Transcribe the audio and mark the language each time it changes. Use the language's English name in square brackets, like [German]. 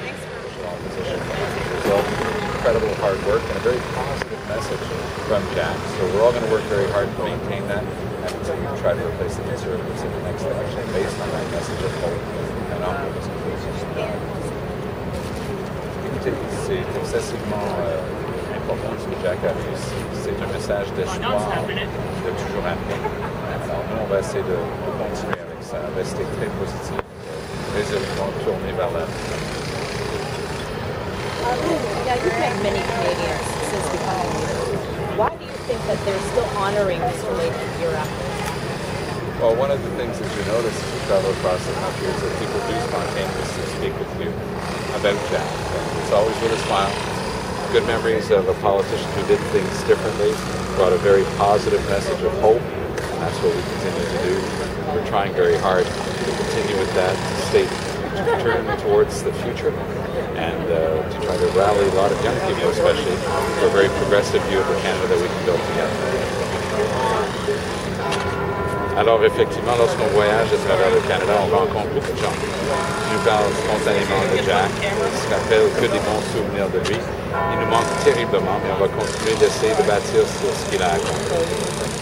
[English] Incredible hard work and a very positive message from Jack. So we're all going to work very hard to maintain that and to try to replace the misery that's in the next election based on that message of hope and optimism. [French] Et écoutez, c'est excessivement important ce que Jack a fait. C'est un message d'espoir de toujours amener. Alors nous, on va essayer de continuer avec ça, rester très positif, résolument tourner vers l'avenir. [English] Yeah, you've met many Canadians since the following year. Why do you think that they're still honoring Mr. Layton year after? Well, one of the things that you notice as you travel across the country is that people do spontaneously speak with you about Jack. And it's always with a smile. Good memories of a politician who did things differently, brought a very positive message of hope, and that's what we continue to do. We're trying very hard to continue with that state, to turn towards the future. And to try to rally a lot of young people, especially for a very progressive view of the Canada that we can build together. [French] Alors effectivement, lorsqu'on voyage à travers le Canada, on rencontre beaucoup de gens. Ils nous parlent spontanément de Jack, ils ne se rappellent que des bons souvenirs de lui. Il nous manque terriblement, mais on va continuer d'essayer de bâtir sur ce qu'il a accompli.